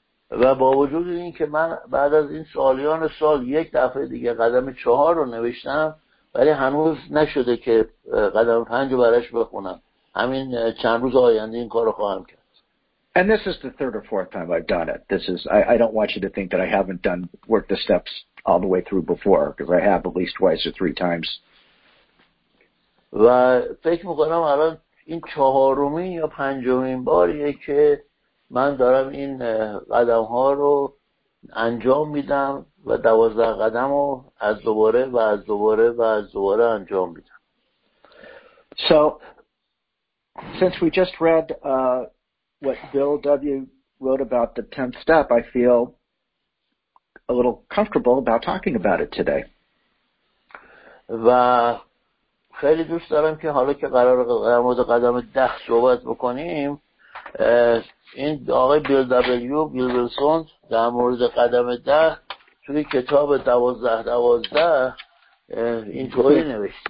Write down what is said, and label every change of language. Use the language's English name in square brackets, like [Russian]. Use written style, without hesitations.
[Persian] و با وجود این که من بعد از این سالیان سال یک دفعه دیگه قدم چهار رو نوشتم ولی هنوز نشده که قدم پنج رو برش بخونم. همین چند روز آینده این کار رو خواهم کرد. [English] And this is the third or fourth time I've done it. This is I don't want you to think that I haven't done work the steps all the way through before, because I have at least twice or three times. [Persian] و فکر می‌کنم الان این چهارمین یا پنجمین باریه که من دارم این قدم‌ها رو انجام میدم و 12 قدم رو از دوباره و از دوباره و از دوباره انجام میدم. [English] So since we just read what Bill W. wrote about the 10th step, I feel a little comfortable about talking about it today. [Persian] و خیلی دوست دارم که حالا که قرار در مورد قدم 10 صحبت بکنیم این آقای بیل دبلیو بیل ویلسون در مورد قدم 10 توی کتاب 12-12 اینطوری نوشت.